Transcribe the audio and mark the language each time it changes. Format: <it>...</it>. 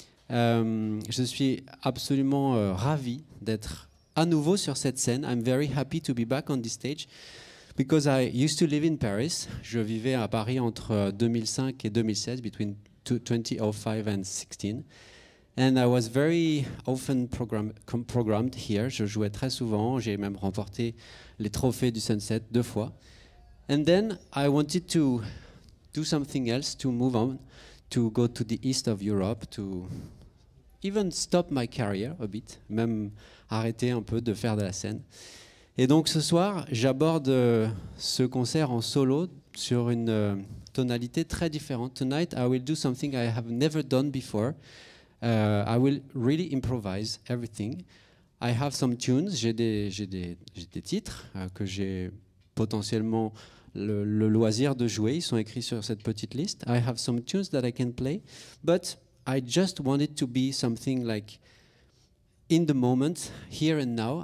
<fr>Je suis absolument ravi d'être à nouveau sur cette scène.</fr> <en>I'm very happy to be back on this stage because I used to live in Paris.</en> <fr>Je vivais à Paris entre 2005 et 2016,</fr> <en>between 2005 and 16. And I was very often programmed here.</en> <fr>Je jouais très souvent. J'ai même remporté les trophées du Sunset deux fois.</fr> <en>And then I wanted to do something else, to move on, to go to the east of Europe, to even stop my career a bit,</en> <fr>même arrêter un peu de faire de la scène. Et donc ce soir, j'aborde ce concert en solo sur une tonalité très différente.</fr> <en>Tonight, I will do something I have never done before. I will really improvise everything. I have some tunes,</en> <fr>j'ai des titres que j'ai potentiellement le loisir de jouer. Ils sont écrits sur cette petite liste.</fr> <en>I have some tunes that I can play, but I just wanted to be something like in the moment, here and now.</en>